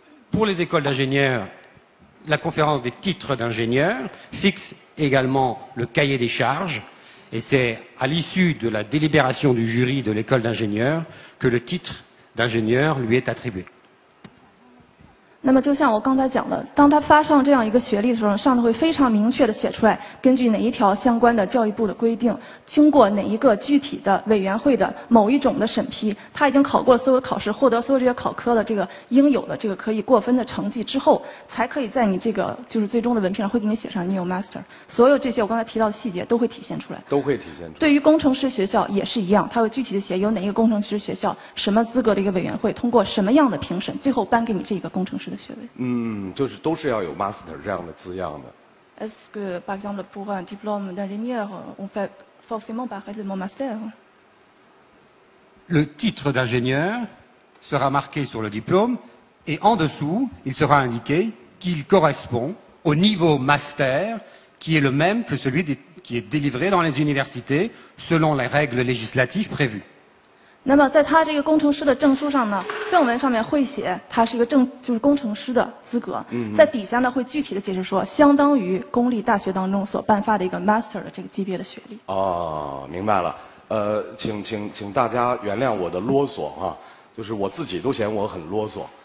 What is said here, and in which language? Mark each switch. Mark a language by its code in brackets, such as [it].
[fr] Pour les écoles d'ingénieurs, la conférence des titres d'ingénieurs fixe également le cahier des charges,Et c'est à l'issue de la délibération du jury de l'école d'ingénieur que le titre d'ingénieur lui est attribué. [zh] 那么就像我刚才讲的，当他发上这样一个学历的时候，上头会非常明确的写出来，根据哪一条相关的教育部的规定，经过哪一个具体的委员会的某一种的审批，他已经考过了所有考试，获得所有这些考科的这个应有的这个可以过分的成绩之后，才可以在你这个就是最终的文凭上会给你写上你有 master。所有这些我刚才提到的细节都会体现出来。都会体现出来。对于工程师学校也是一样，他会具体的写有哪一个工程师学校，什么资格的一个委员会，通过什么样的评审，最后颁给你这个工程师。就是都是要有 master 这样的字样的。 [fr] Est-ce que, par exemple, pour un diplôme d'ingénieur, on fait forcément parler de mon master? Le titre d'ingénieur sera marqué sur le diplôme et en dessous, il sera indiqué qu'il correspond au niveau master qui est le même que celui qui est délivré dans les universités selon les règles législatives prévues. [zh] 那么在他这个工程师的证书上呢，正文上面会写他是一个正就是工程师的资格，在底下呢会具体的解释说相当于公立大学当中所颁发的一个 master 的这个级别的学历。哦，明白了。请大家原谅我的啰嗦啊，就是我自己都嫌我很啰嗦。